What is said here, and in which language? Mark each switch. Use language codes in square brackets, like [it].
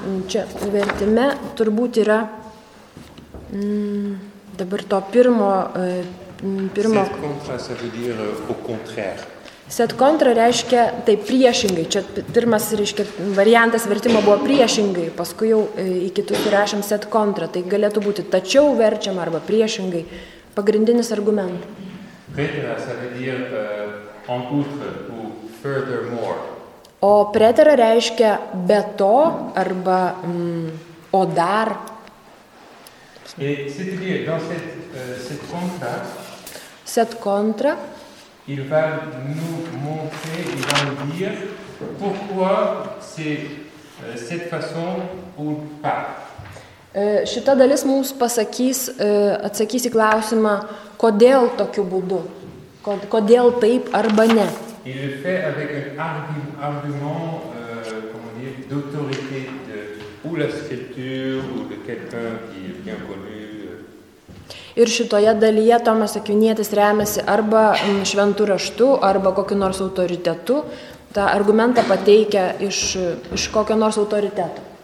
[lt] Čia vertime turbūt yra dabar to pirmo [fr] set contra, ça veut dire au contraire. [lt] Set contra reiškia tai priešingai. Čia pirmas reiškia variantas vertimo buvo priešingai, paskui jau į kitus įrašėm set contra, tai galėtų būti tačiau verčiama arba priešingai. Pagrindinis argumentas. [fr] Pretera, ça veut dire en outre ou furthermore. [lt] O pretera reiškia be to arba o dar. [fr] Et c'est-à-dire dans cette cette contra. [la] Set contra. [fr] Il va nous montrer, il va nous dire pourquoi c'est cette façon ou pas. [lt] Šita dalis mums pasakys, atsakys į klausimą, kodėl tokiu būdu, kodėl taip arba ne. [fr] Il le fait avec un argument, comment dire, d'autorité de ou la scripture ou de quelqu'un qui est bien connu. [lt] Ir šitoje dalyje Tomas Akvinietis remiasi arba šventų raštų, arba kokiu nors autoritetu, tą argumentą pateikia iš kokio nors autoriteto.